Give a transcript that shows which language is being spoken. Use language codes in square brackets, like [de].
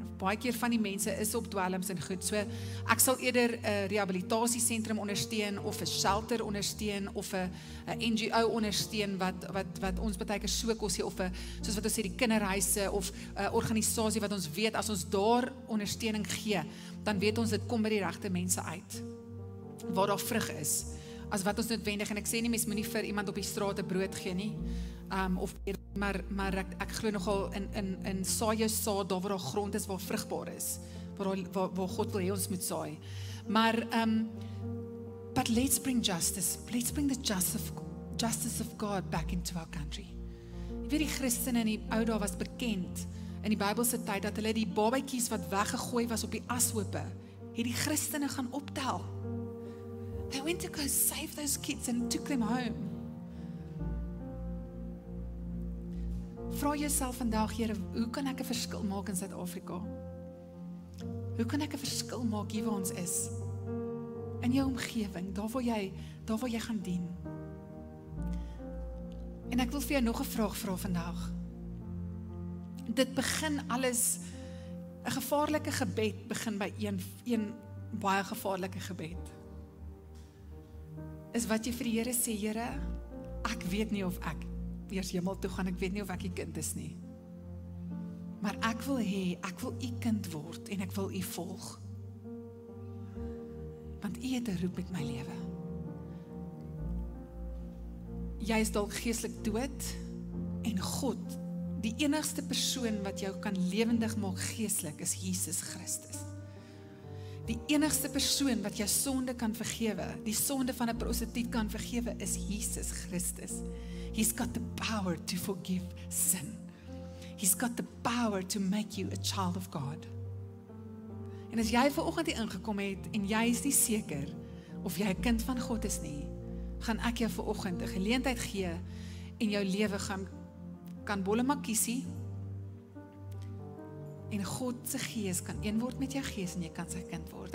[af] Baie keer van die mense is op dwelms en goed, so ek sal eerder 'n rehabilitasiesentrum ondersteun of 'n shelter ondersteun of 'n NGO ondersteun wat ons partykeer so kosie of 'n, soos wat ons sê, die kinderhuise of 'n organisasie wat ons weet as ons daar ondersteuning gee, dan weet ons dit kom by die regte mense uit waar daar vrug is. As wat ons noodwendig, en ek sê nie, mens moet nie vir iemand op die straat 'n brood gee nie, of maar ek glo nogal in saai jou saad, daar waar daar grond is, waar vrugbaar is, waar God wil hê ons moet saai. [en] Maar, but let's bring justice, let's bring the justice of God back into our country. [af] Jy weet, die Christen in die oude was bekend, in die Bybelse tyd, dat hulle die babaikies wat weggegooi was op die ashope, het die Christene gaan optel. [en] They went to go save those kids and took them home. [af] Vra jouself vandag, Here, hoe kan ek 'n verskil maak in Suid-Afrika? Hoe kan ek 'n verskil maak hier waar ons is? In jou omgewing, daar waar jy gaan dien. En ek wil vir jou nog 'n vraag vra vandag. Dit begin alles, 'n gevaarlike gebed begin by een baie gevaarlike gebed. Is wat jy vir die Here sê, Here, ek weet nie of ek eers hemel toe gaan, ek weet nie of ek die kind is nie. Maar ek wil hê, ek wil u kind word en ek wil u volg. Want u het 'n roep met my lewe. Jy is dalk geestelik dood en God, die enigste persoon wat jou kan lewendig maak geestelik, is Jesus Christus. Die enigste persoon wat jou sonde kan vergewe, die sonde van 'n prostituut kan vergewe, is Jesus Christus. [en] He's got the power to forgive sin. He's got the power to make you a child of God. [af] En as jy vanoggend hier ingekom het en jy is nie seker of jy 'n kind van God is nie, gaan ek jou vanoggend 'n geleentheid gee en jou lewe gaan kan bollemakiesie. En God se gees kan een word met jou gees en jy kan sy kind word.